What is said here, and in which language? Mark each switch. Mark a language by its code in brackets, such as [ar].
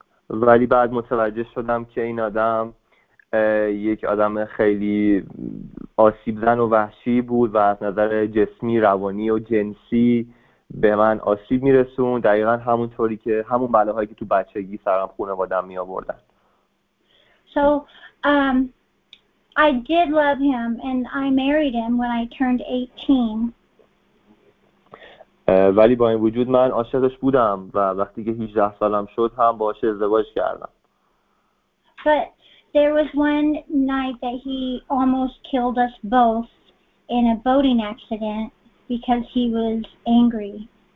[fa] ولی بعد متوجه شدم که این آدم یک آدم خیلی آسیب زن و وحشی بود و از نظر جسمی، روانی و جنسی به من آسیب میرسون، دقیقا همونطوری که همون بلاهایی که تو بچگی سرم خانواده‌ام می آوردن. [en] So I did love him and I married him when I turned 18. [fa] ولی با این وجود من عاشقش بودم و وقتی که 18 سالم شد هم باهاش ازدواج کردم. [en] But there was one night that he almost killed us both in a boating accident because he was angry.